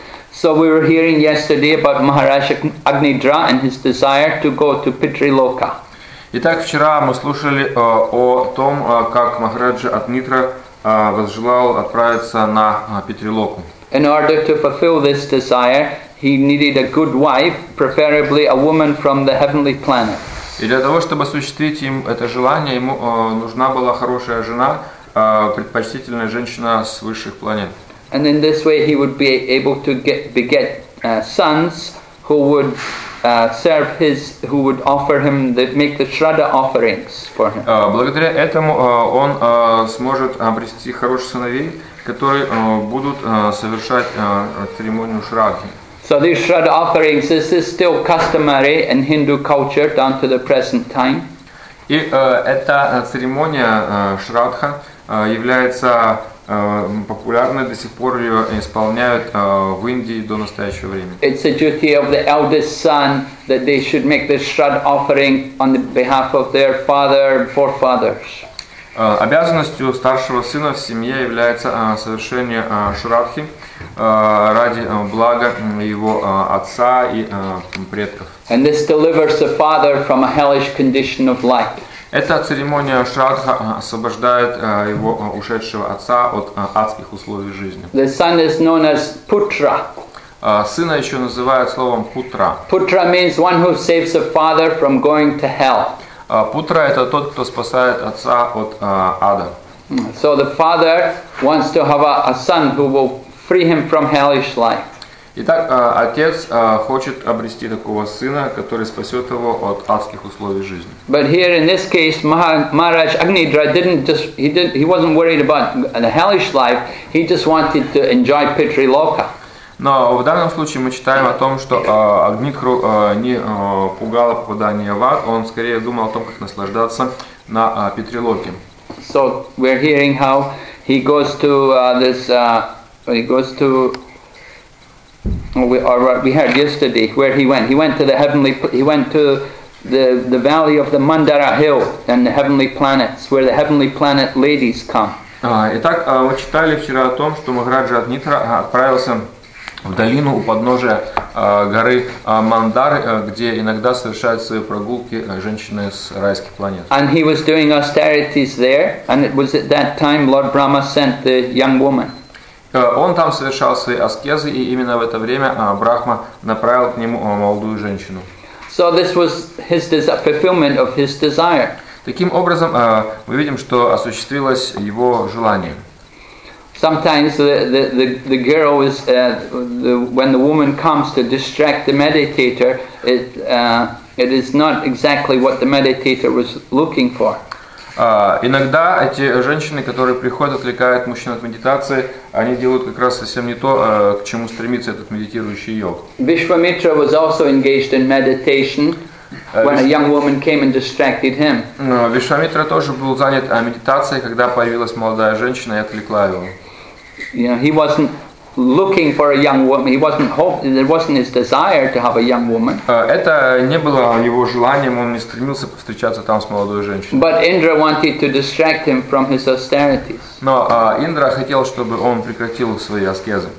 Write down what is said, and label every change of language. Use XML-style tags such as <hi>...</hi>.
<en>So we were hearing yesterday about Maharaj Agnidra and his desire to go to Pitriloka.</en> <ru>Итак, вчера мы слушали о том, как Махараджа Агнидра возжелал отправиться на Питрилоку.</ru> <en>In order to fulfill this desire, he needed a good wife, preferably a woman from the heavenly planet.</en> <ru>И для того, чтобы осуществить им это желание, ему нужна была хорошая жена, предпочтительная женщина с высших планет.</ru> <en>And in this way, he would be able to beget sons who would serve his, who would offer him, make the Shraddha offerings for him.</en> <ru>Благодаря этому он сможет обрести хороших сыновей, которые будут совершать церемонию Шраддхи.</ru> <en>So these Shraddha offerings, this is still customary in Hindu culture down to the present time.</en> <ru>И эта церемония Шраддха является популярны до сих пор ее исполняют в Индии до настоящего времени.</ru> <en>It's a duty of the eldest son that they should make the Shraddha offering on the behalf of their father and forefathers.</en> <ru>Обязанностью старшего сына в семье является совершение Шраддхи ради блага его отца и предков.</ru> <en>And this delivers the father from a hellish condition of life.</en> <ru>Эта церемония Шраддха освобождает его ушедшего отца от адских условий жизни.</ru> <en>The son is known as Putra.</en> <ru>Сына еще называют словом Путра.</ru> <en>Putra means one who saves the father from going to hell.</en> <ru>Путра – это тот, кто спасает отца от ада.</ru> <en>So the father wants to have a son who will free him from hellish life.</en> <ru>Итак, отец хочет обрести такого сына, который спасет его от адских условий жизни.</ru> <en>But here in this case, Maharaj Agnidra wasn't worried about the hellish life. He just wanted to enjoy Pitri Loka.</en> <ru>Но в данном случае мы читаем о том, что Агнидру не пугало попадание в ад. Он скорее думал о том, как наслаждаться на Питри Локе.</ru> <en>So we're hearing how he goes to we heard yesterday where he went. He went to the valley of the Mandara Hill and the heavenly planets, where the heavenly planet ladies come.</en> <ru>Итак, мы читали вчера о том, что Махараджа Агнидра отправился в долину у подножия горы Мандары, где иногда совершают свои прогулки женщины с райских планет.</ru> <en>And he was doing austerities there, and it was at that time Lord Brahma sent the young woman.</en> <ru>Он там совершал свои аскезы, и именно в это время Брахма направил к нему молодую женщину.</ru> <en>So this was his fulfillment of his desire.</en> <ru>Таким образом, мы видим, что осуществилось его желание.</ru> <en>Sometimes the girl is when the woman comes to distract the meditator, it is not exactly what the meditator was looking for.</en> <ru>Иногда эти женщины, которые приходят, отвлекают мужчин от медитации, они делают как раз совсем не то, к чему стремится этот медитирующий йог.</ru> <en>Вишвамитра was also engaged in meditation when a young woman came and distracted him.</en> <ru>Вишвамитра тоже был занят медитацией, когда появилась молодая женщина и отвлекла его.</ru> <en>You know, he wasn't looking for a young woman. He wasn't hoping. It wasn't his desire to have a young woman.</en> <ru>Это не было его желанием. Он не стремился повстречаться там с молодой женщиной.</ru> <en>But Indra wanted to distract him from his austerities.</en> <ru>Но Индра хотел, чтобы он прекратил свои аскезы.</ru>